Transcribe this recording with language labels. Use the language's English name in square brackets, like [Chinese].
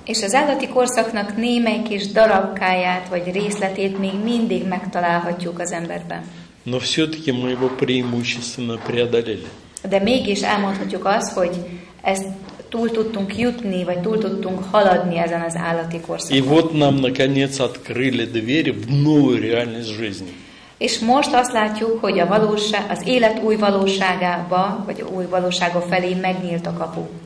[Hungarian] És az állati korszaknak némely kis darabkáját vagy részletét még mindig megtalálhatjuk az emberben. [Russian] Но все-таки мы его преимущественно преодолели. [Hungarian] De mégis elmondhatjuk azt, hogy ezt túl tudtunk jutni, vagy túl tudtunk haladni ezen az állati korszakon. [Russian] И вот нам наконец открыли двери в новую реальность жизни. [Hungarian] És most azt látjuk, hogy a valóság, az élet új valóságába, vagy új valósága felé megnyílt a kapu.